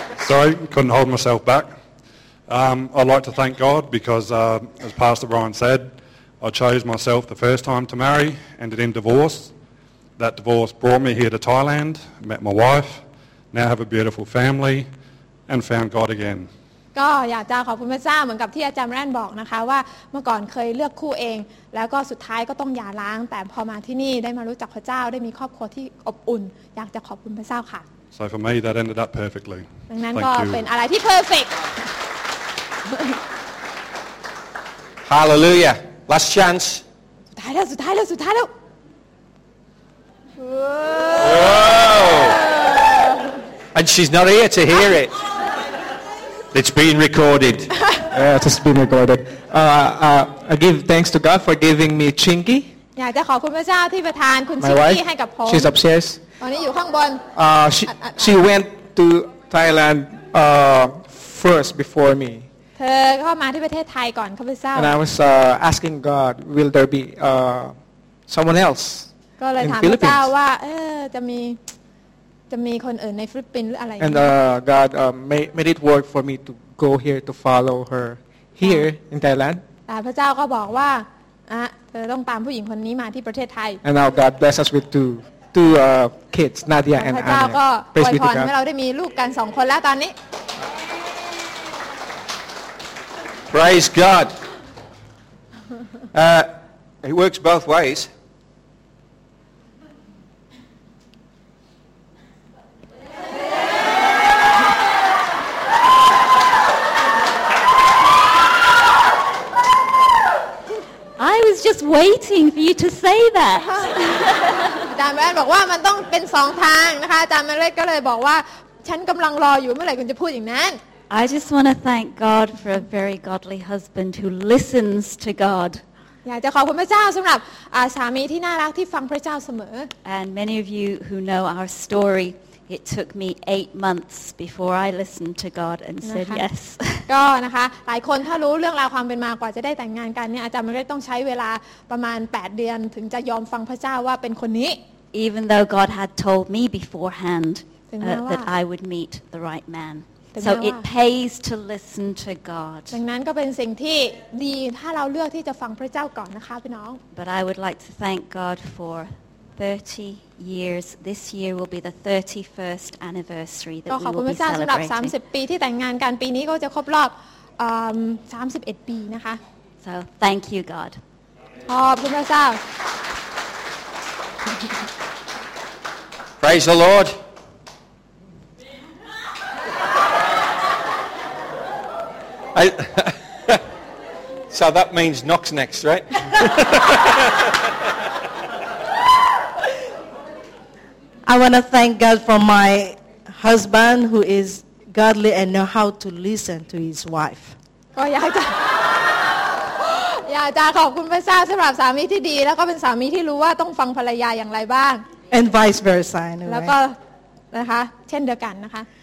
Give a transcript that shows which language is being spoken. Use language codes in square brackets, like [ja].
[en] Sorry, couldn't hold myself back. I'd like to thank God because, as Pastor Brian said, I chose myself the first time to marry, ended in divorce. That divorce brought me here to Thailand, met my wife, now have a beautiful family, and found God again. [th] ก็อยากจะขอบคุณพระเจ้าเหมือนกับที่อาจารย์แรนบอกนะคะว่าเมื่อก่อนเคยเลือกคู่เองแล้วก็สุดท้ายก็ต้องหย่าร้างแต่พอมาที่นี่ได้มารู้จักพระเจ้าได้มีครอบครัวที่อบอุ่นอยากจะขอบคุณพระเจ้าค่ะ [en] So for me that ended up perfectly [th] ดังนั้นก็เป็นอะไรที่ perfect [en] Hallelujah last chance [th] สุดท้ายแล้วสุดท้ายแล้วสุดท้ายแล้ว [en] Whoa. Whoa. And she's not here to hear it. It's been recorded. Yeah, it's just been recorded. I give thanks to God for giving me Chingy. [th] Yeah, จะขอบคุณพระเจ้าที่ประทานคุณ Chingy ให้กับผม [en] She's upstairs. [th] ตอนนี้อยู่ข้างบน [en] She went to Thailand first before me. [th] เธอเข้ามาที่ประเทศไทยก่อนข้าพเจ้า [en] And I was asking God, will there be someone else? [th] ก็เลยถามพระเจ้าว่าจะมีคนอื่นในฟิลิปปินส์หรืออะไร [en] And God made it work for me to go here to follow her here in Thailand [th] แต่พระเจ้าก็บอกว่าเธอต้องตามผู้หญิงคนนี้มาที่ประเทศไทย [en] And now God bless us with two kids Nadia and Anna [th] พระเจ้าก็อวยพรให้เราได้มีลูกกัน2คนแล้วตอนนี้ [en] Praise God it works both ways Just waiting for you to say that. [th] Dan Ren บอกว่ามันต้องเป็นสองทางนะคะ Dan Ren ก็เลยบอกว่าฉันกำลังรออยู่เมื่อไหร่คุณจะพูดอย่างนั้น [en] I just want to thank God for a very godly husband who listens to God. [th] อยากจะขอบคุณพระเจ้าสำหรับสามีที่น่ารักที่ฟังพระเจ้าเสมอ [en] And many of you who know our story, it took me 8 months before I listened to God and said yes. [th] ก็นะคะหลายคนถ้ารู้เรื่องราวความเป็นมากว่าจะได้แต่งงานกันเนี่ยอาจารย์มันก็ต้องใช้เวลาประมาณ8เดือนถึงจะยอมฟังพระเจ้าว่าเป็นคนนี้ [en] Even though God had told me beforehand that I would meet the right man so it pays to listen to God [th] ดังนั้นก็เป็นสิ่งที่ดีถ้าเราเลือกที่จะฟังพระเจ้าก่อนนะคะพี่น้อง [en] But I would like to thank God for 30 years this year will be the 31st anniversary that we will be celebrating. [th] ขอบคุ ณพระเจ้าสำหรับ30ปีที่แต่งงานกันปีนี้ก็จะครบรอบ31ปีนะคะ [en] So thank you God. [th] ขอบคุณพระเจ้า [en] Praise the Lord. So that means Knox next, right? I want to thank God for my husband who is godly and know how to listen to his wife. [th] ก็อยากจะขอบคุณพระเจ้าสำหรับสามีที่ดีแล้วก็เป็นสามีที่รู้ว่าต้องฟังภรรยาอย่างไรบ้าง [en] And vice versa. [th] แล้วก็นะคะเช่นเดียวกันนะคะ